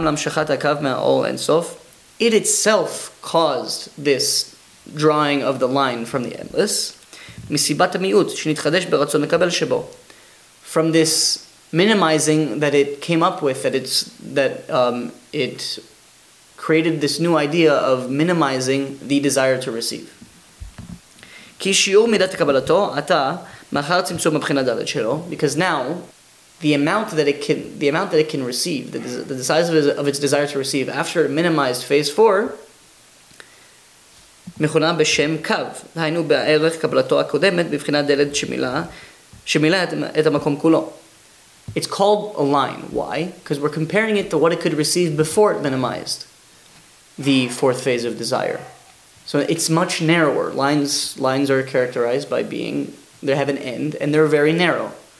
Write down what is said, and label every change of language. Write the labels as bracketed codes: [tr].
[en] It itself caused this drawing of the line from the endless. From this minimizing that it came up with, that it's that it created this new idea of minimizing the desire to receive. Because now the amount that it can receive, the size of its desire to receive after it minimized phase four, [he] מכונה בשם קו, היינו בערך קבלתו הקודמת בבחינת דלת שמילה. [en] It's called a line. Why? Because we're comparing it to what it could receive before it minimized the fourth phase of desire. So it's much narrower. Lines are characterized by being, they have an end, and they're very narrow.